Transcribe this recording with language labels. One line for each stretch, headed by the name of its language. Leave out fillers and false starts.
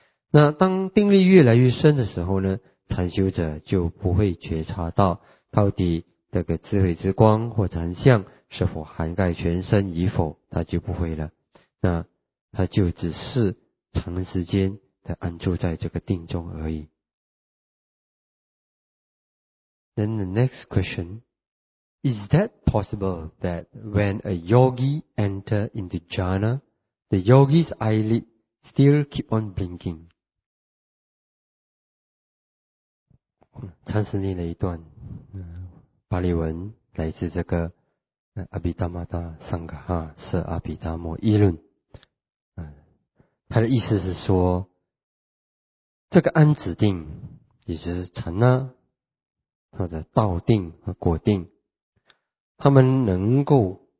Chinese: 那当定力愈来愈深的时候呢，禅修者就不会觉察到到底这个智慧之光或禅相是否涵盖全身与否，他就不会了，那他就只是长时间的安住在这个定中而已。
English: Then the next question, is that possible that when a yogi enter into jhana, the yogi's eyelid still keep on blinking?
Chinese: 禅师念了一段巴利文，来自这个阿毗达摩达桑卡哈是阿毗达摩议论，他的意思是说，这个安止定，也就是禅那或者道定和果定，他们能够